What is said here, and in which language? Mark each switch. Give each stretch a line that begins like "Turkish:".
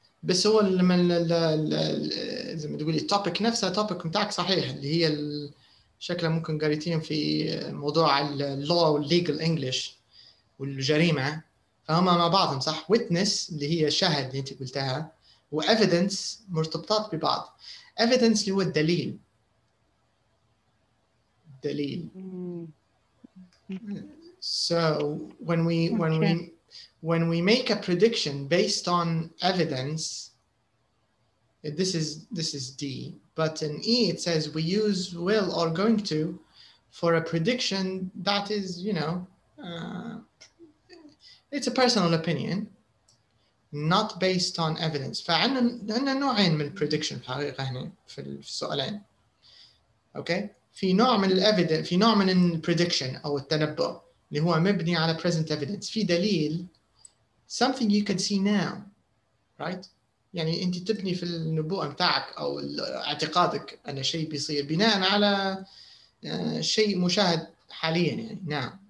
Arabic: بس هو من زي ما تقولي topic نفسها topic متاعك صحيح اللي هي شكلها ممكن قريتين في موضوع law legal English والجريمة فهما مع بعضهم صح witness اللي هي شاهد اللي انت قلتها و evidence مرتبطات ببعض. Evidence اللي هو الدليل. دليل.
English: So when we make a prediction based on evidence, this is D. But in E it says we use will or going to for a prediction that is, you know, it's a personal opinion. Not based on evidence.
Arabic: فعندنا نوعين من prediction حقيقة هنا في السؤالين.
English: Okay.
Arabic: في نوع من evidence في نوع من prediction أو التنبؤ اللي هو مبني على present evidence. في دليل
English: something you can see now, right?
Arabic: يعني أنت تبني في النبوءة متاعك أو اعتقادك أن شيء بيصير بناء على شيء مشاهد حاليا يعني now.